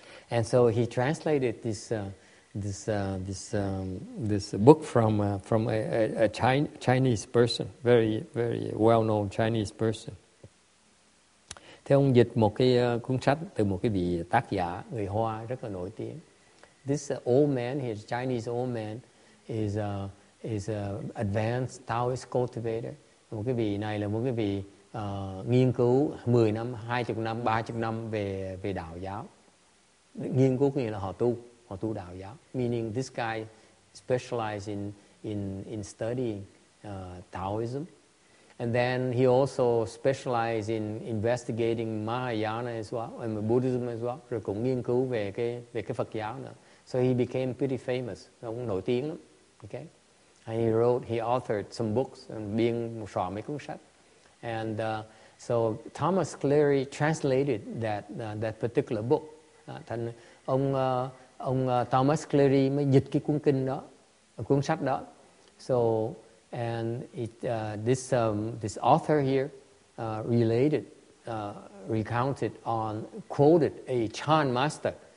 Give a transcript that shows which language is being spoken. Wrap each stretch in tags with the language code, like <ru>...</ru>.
<en>And so he translated this book from a Chinese person, very very well known Chinese person.</en> <vi>Thế ông dịch một cái cuốn sách từ một cái vị tác giả người Hoa rất là nổi tiếng.</vi> <en>This old man, his Chinese old man, is a advanced Taoist cultivator.</en> <vi>Một cái vị này là một cái vị nghiên cứu 10 năm, 20 năm, 30 năm về đạo giáo. Nghiên cứu nghĩa là họ tu đạo giáo.</vi> <en>Meaning this guy specialized in studying Taoism. And then he also specialized in investigating Mahayana as well, and Buddhism as well.</en> <vi>Rồi cũng nghiên cứu về cái Phật giáo nữa.</vi> <en>So he became pretty famous.</en> <vi>Ông nổi tiếng lắm.</vi> <en>Okay? And he authored some books and</en> <vi>biên một số mấy cuốn sách.</vi> <en>And so Thomas Cleary translated that particular book.</en> <vi>Thành ông Thomas Cleary mới dịch cái cuốn sách đó.</vi> <en>So And this author here quoted a Chan master.</en>